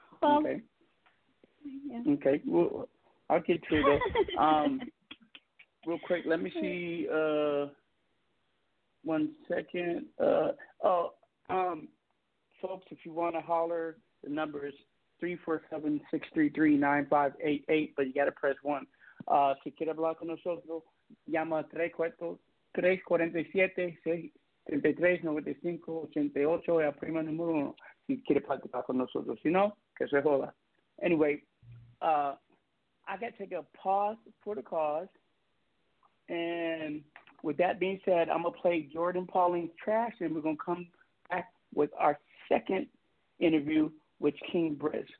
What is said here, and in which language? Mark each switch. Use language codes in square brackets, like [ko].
[en] Okay. Yeah. Okay, well, I'll get to it. real quick, let me see. 1 second. Folks, if you want to holler, the number is 347-633-9588, but you got to press 1. [es] Si quiere hablar con nosotros, llama 347-633-9588, el primer número 1. Si quiere participar con nosotros, si no, que se joda. [en] Anyway. I got to take a pause for the cause. And with that being said, I'm going to play Jourdin Pauline's Trash, and we're going to come back with our second interview with King Briz.